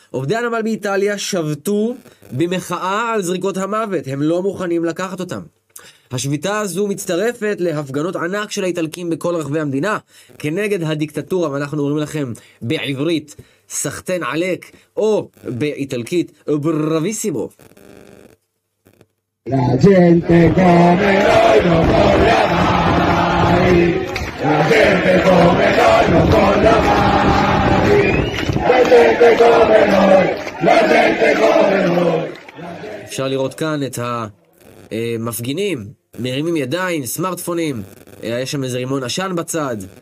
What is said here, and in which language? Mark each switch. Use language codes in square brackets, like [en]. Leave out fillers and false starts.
[he] עובדי הנמל באיטליה שבתו במחאה על זריקות המוות. הם לא מוכנים לקחת אותם. השביתה הזו מצטרפת להפגנות ענק של האיטלקים בכל רחבי המדינה כנגד הדיקטטורה, ואנחנו אומרים לכם בעברית סחטן עלק, או באיטלקית ברביסימו. [it] La gente come noi non vorrà mai, la gente come noi non vorrà mai, la gente come noi, la gente come noi. [he] אפשר לראות כאן את המפגינים מרימים ידיים, סמארטפונים, יש שם איזה רימון אשן בצד.